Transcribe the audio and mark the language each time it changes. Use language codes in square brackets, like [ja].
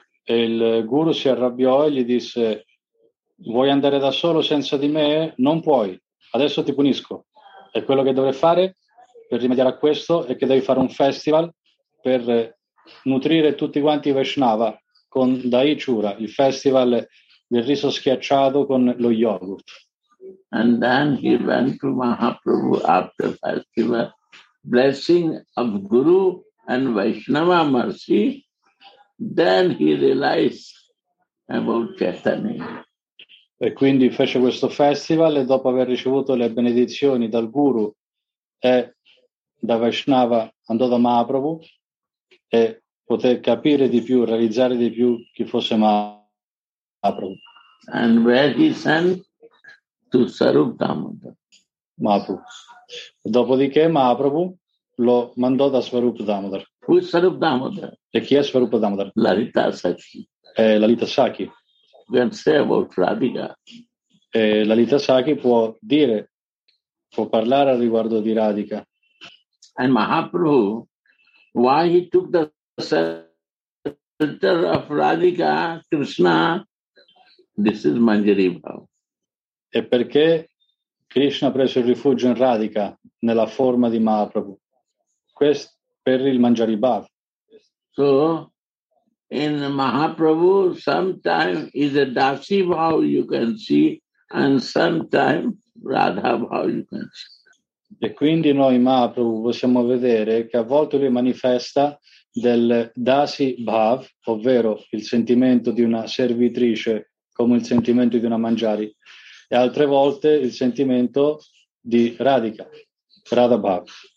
[it] E il guru si arrabbiò e gli disse: vuoi andare da solo senza di me? Non puoi. Adesso ti punisco. E quello che dovrei fare per rimediare a questo è che devi fare un festival per nutrire tutti quanti i Vaishnava con Dahi Chura, il festival del riso schiacciato con lo yogurt. [en] And then he went to Mahaprabhu after festival, blessing of Guru and Vaishnava mercy. Then he realized about Chaitanya. [it] E quindi fece questo festival e dopo aver ricevuto le benedizioni dal Guru e da Vaishnava andò da Mahaprabhu e poté capire di più, realizzare di più chi fosse Mahaprabhu. [en] And where he sent to Sarup Damodar. [it] Mahaprabhu. Dopodiché Mahaprabhu lo mandò da Swarup Damodar. [en] Who is Sarup Damodar? [it] E chi è Swarup Damodar? [en] Lalita Sakhi. [it] Lalita Sakhi. [en] Can say about Radhika. [it] Lalita Sakhi può dire, può parlare al riguardo di Radhika. [en] And Mahaprabhu, why he took the center of Radhika, Krishna, this is Manjari Bhav. [it] E perché Krishna ha preso il rifugio in Radhika, nella forma di Mahaprabhu? Questo per il Manjari Bhav. [en] So, in Mahaprabhu, sometimes is a Dasi Bhav you can see, and sometimes Radha Bhav you can see. [it] E quindi noi Mahaprabhu possiamo vedere che a volte lui manifesta del Dasi Bhav, ovvero il sentimento di una servitrice come il sentimento di una Manjari, e altre volte il sentimento di Radhika, Radha Bhav.